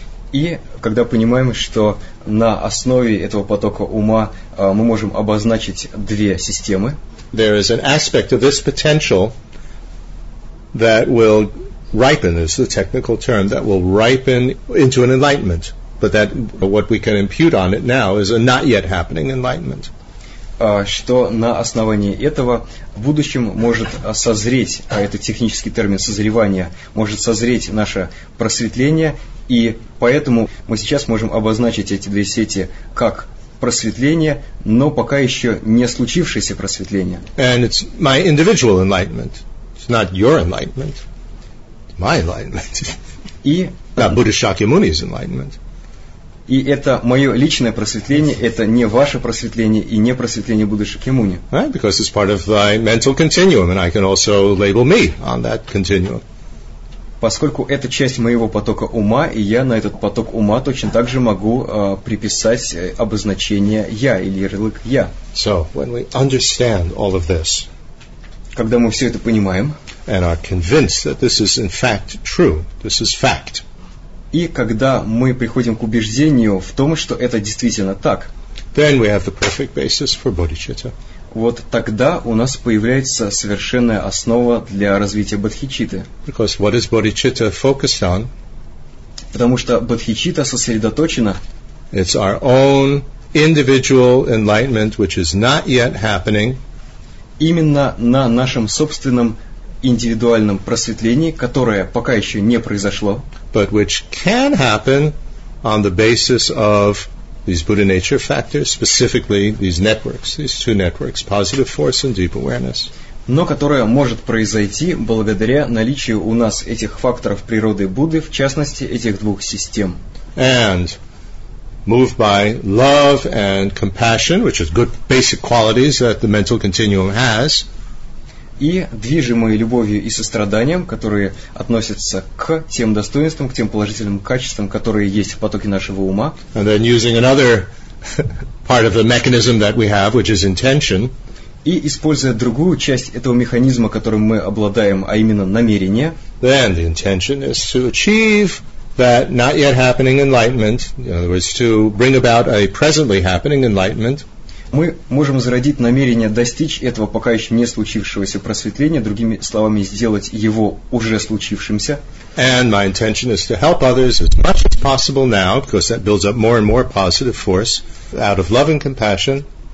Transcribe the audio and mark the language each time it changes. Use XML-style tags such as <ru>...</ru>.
<ru>и когда понимаем, что на основе этого потока ума мы можем обозначить две системы,</ru> <en>there is an aspect of this potential that will ripen, is the technical term, that will ripen into an enlightenment. But that what we can impute on it now is a not yet happening enlightenment.</en> <ru>Что на основании этого в будущем может созреть, а это технический термин созревания, может созреть наше просветление, и поэтому мы сейчас можем обозначить эти две сети как просветление, но пока еще не случившееся просветление.</ru> <en>And it's my individual enlightenment. It's not your enlightenment. It's my enlightenment. Not Buddha Shakyamuni's enlightenment.</en> <ru>И это мое личное просветление, это не ваше просветление и не просветление Будды Шакьямуни.</ru> <en>Right, because it's part of my mental continuum, and I can also label me on that continuum.</en> <ru>Поскольку это часть моего потока ума, и я на этот поток ума точно так же могу приписать обозначение «я» или ярлык «я».</ru> <en>So, when we understand all of this,</en> <ru>когда мы все это понимаем,</ru> <en>and are convinced that this is in fact true, this is fact,</en> <ru>и когда мы приходим к убеждению в том, что это действительно так,</ru> <en>then we have the perfect basis for bodhicitta.</en> <ru>Вот тогда у нас появляется совершенная основа для развития бодхичитты.</ru> <en>Because what is bodhicitta focused on?</en> <ru>Потому что бодхичитта сосредоточена.</ru> <en>It's our own individual enlightenment, which is not yet happening.</en> <ru>Именно на нашем собственном индивидуальном просветлении, которое пока еще не произошло,</ru> <en>but which can happen on the basis of these Buddha nature factors, specifically these networks, these two networks, positive force and deep awareness.</en> <ru>Но которое может произойти благодаря наличию у нас этих факторов природы Будды, в частности, этих двух систем.</ru> <en>And moved by love and compassion, which is good basic qualities that the mental continuum has.</en> <ru>И движимые любовью и состраданием, которые относятся к тем достоинствам, к тем положительным качествам, которые есть в потоке нашего ума.</ru> <en>And then using another part of the mechanism that we have, which is intention.</en> <ru>И используя другую часть этого механизма, которым мы обладаем, а именно намерение.</ru> <en>Then the intention is to achieve that not yet happening enlightenment, in other words, to bring about a presently happening enlightenment.</en> <ru>Мы можем зародить намерение достичь этого пока еще не случившегося просветления, другими словами, сделать его уже случившимся.</ru> <en>And my intention is to help others as much as possible now, because that builds up more and more positive force out of love and compassion.</en>